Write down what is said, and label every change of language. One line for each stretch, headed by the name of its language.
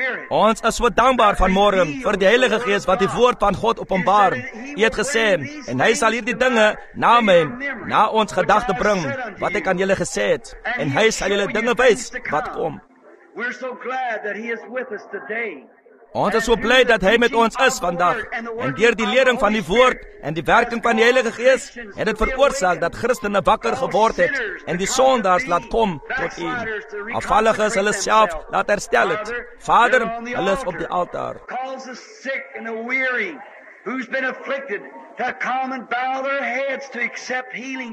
Afrikaans: Ons is so dankbaar vanmôre vir die Heilige Gees wat die woord van God openbaar. U het gesê, en hy sal hierdie dinge na my, na ons gedagte bring, wat ek aan julle gesê het, en hy sal julle dinge wys wat kom.
English: We're so glad that he is with us today.
Afrikaans: Ons is so bly dat hy met ons is vandag. En deur die leering van die woord en die werking van die Heilige Gees het dit veroorsaak dat Christene wakker geword het en die sondaars laat kom tot U. Afvalliges hulle self laat herstel het. Vader, hulle is op die altaar.
English: Calls the sick and the weary who's been afflicted to come and bow their heads to accept healing.